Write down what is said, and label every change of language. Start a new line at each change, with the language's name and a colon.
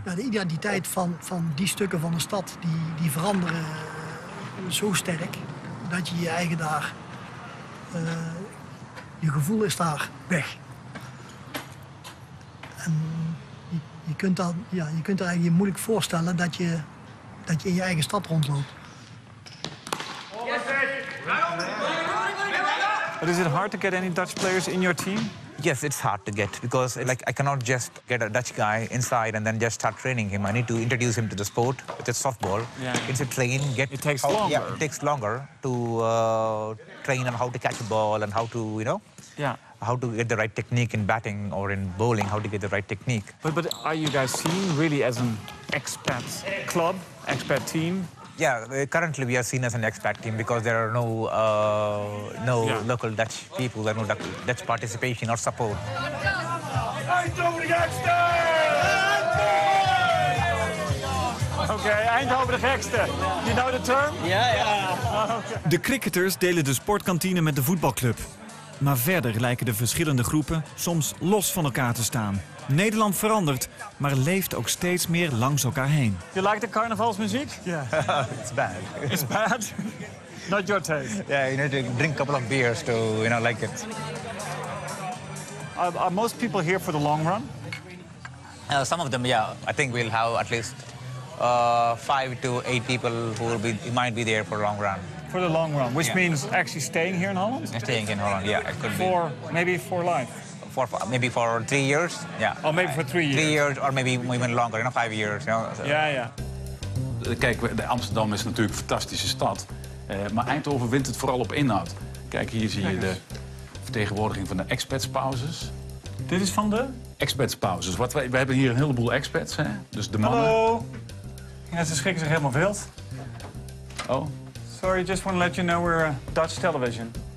Dutch: Ja, de identiteit van die stukken van de stad, die veranderen zo sterk dat je je eigen daar... Je gevoel is daar weg. En je kunt er eigenlijk moeilijk voorstellen dat je in je eigen stad rondloopt.
English: But is it hard to get any Dutch players in your team? Yes, it's hard to get because like I cannot just get a Dutch guy inside and then just start training him. I need to introduce him to the sport, which is softball. Yeah. It's a train. It takes longer. Yeah, it takes longer to train on how to catch a ball and how to, you know, yeah, how to get the right technique in batting or in bowling, how to get the right technique. But are you guys seen really as an expat club, expat team? Yeah, currently we are seen as an expat team because there are no local Dutch people, there are no Dutch participation or support.
Dutch: Eindhoven de gekste!
English: Okay,
Dutch: Eindhoven de gekste.
English: You know the term? Yeah.
Dutch: De cricketers delen de sportkantine met de voetbalclub. Maar verder lijken de verschillende groepen soms los van elkaar te staan. Nederland verandert, maar leeft ook steeds meer langs elkaar heen. Je lijkt de carnavalsmuziek?
English: Ja. It's bad. It's bad? Not your taste. Ja, yeah, you need to drink a couple of beers to, you know, like it. Are most people here for the long run? Some of them, yeah. I think we'll have at least 5 to 8 people who will be, might be there for the long run. For the long run, which means actually staying here in Holland? Staying in Holland, yeah. It could for, be. Maybe for life? For maybe for 3 years, yeah. Oh, maybe for 3 years. 3 years, or maybe even longer, you know, 5 years. You know, so. Yeah, yeah.
Dutch: Kijk, Amsterdam is natuurlijk een fantastische stad. Maar Eindhoven wint het vooral op inhoud. Kijk, hier zie je de vertegenwoordiging van de expatspauzes. Dit is van de? Expatspauzes. We hebben hier een heleboel expats, hè? Dus de Hallo. Mannen. Hallo. Ja, ze schrikken zich helemaal wild. Oh.
English: Sorry, just want to let you know we're Dutch television.